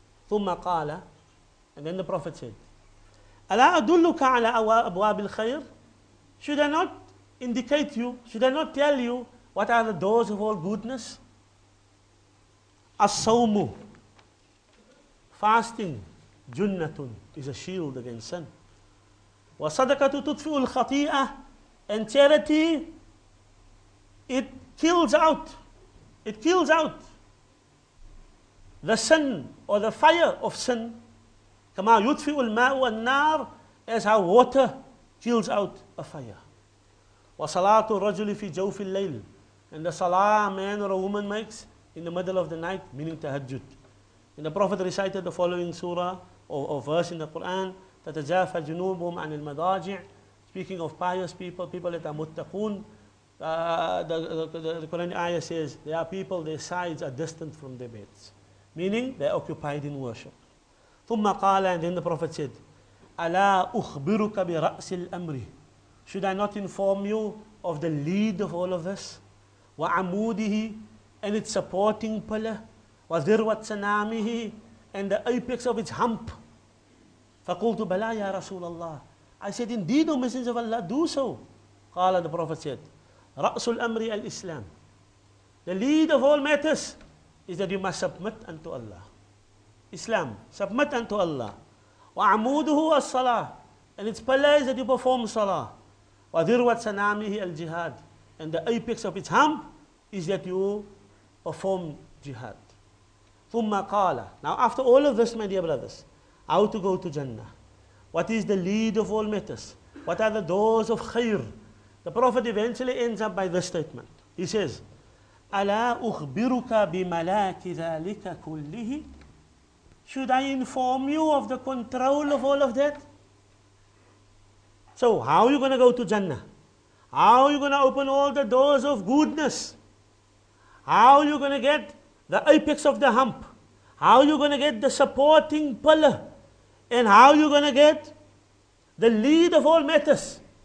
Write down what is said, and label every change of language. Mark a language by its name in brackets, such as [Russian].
[Arabic] ثم قال, [English] and then the Prophet said, [Arabic] ألا أدلك على أبواب الخير. [English] Should I not indicate you, should I not tell you what are the doors of all goodness? [Arabic] الصوم, [English] fasting, [Arabic] جنة, [English] is a shield against sin. [Arabic] وصدقة تطفئ الخطيئة, [English] and charity, it kills out the sin or the fire of sin. [Arabic] كما يطفئ الماء والنار, [English] as how water kills out a fire. [Arabic] وصلاة الرجل في جوف الليل, [English] and the salah a man or a woman makes in the middle of the night, meaning tahajjud. And the Prophet recited the following surah or verse in the Quran, [Arabic] تتجافى جنوبهم عن المضاجع, [English] speaking of pious people that are muttaqoon. The Quran ayah says, there are people, their sides are distant from their beds, meaning they are occupied in worship. [Arabic] ثم قال, [English] and then the Prophet said, [Arabic] ألا أخبرك برأس الأمر. [English] Should I not inform you of the lead of all of this? [Arabic] وعموده, [English] and its supporting pillar. [Arabic] وذروة سنامه, [English] and the apex of its hump. [Arabic] فقلت بلى يا رسول الله. [English] I said, indeed, O Messenger of Allah, do so. [Arabic] قال, [English] the Prophet said, [Arabic] رأس الأمر الإسلام. [English] The lead of all matters is that you must submit unto Allah. Islam, submit unto Allah. [Arabic] وعموده الصلاة, [English] and its pillar is that you perform salah. [Arabic] وذروة سنامه الجهاد, [English] and the apex of its hump is that you perform jihad. [Arabic] ثم قال, [English] now after all of this, my dear brothers, how to go to Jannah? What is the lead of all matters? What are the doors of khair? The Prophet eventually ends up by this statement. He says, [Arabic] ألا أخبرك بملاك ذلك كله. [English] Should I inform you of the control of all of that? So how are you going to go to Jannah? How are you going to open all the doors of goodness? How are you going to get the apex of the hump? How are you going to get the supporting pillar? And how are you going to get the lead of all matters?